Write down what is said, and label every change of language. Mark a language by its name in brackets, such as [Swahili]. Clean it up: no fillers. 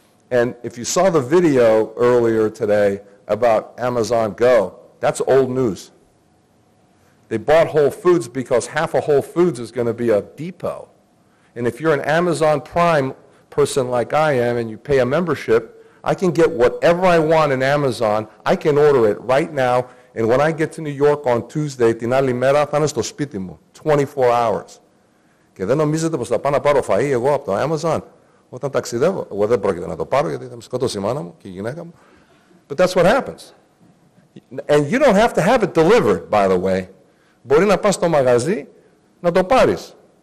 [English] And if you saw the video earlier today about Amazon Go, that's old news. They bought Whole Foods because half of Whole Foods is going to be a depot. And if you're an Amazon Prime person like I am and you pay a membership, I can get whatever I want in Amazon. I can order it right now. And when I get to New York on Tuesday, [Greek] την άλλη μέρα θα είναι στο σπίτι μου, [English] 24 hours. [Greek] Και δεν νομίζετε πως θα πάω να πάρω φαΐ εγώ από το Amazon. Όταν ταξιδεύω, εγώ δεν πρόκειται να το πάρω γιατί θα με σκοτώσει η μάνα μου και η γυναίκα μου. [English] But that's what happens. And you don't have to have it delivered, by the way. [Greek] Μπορεί να πας στο μαγαζί να το πάρεις.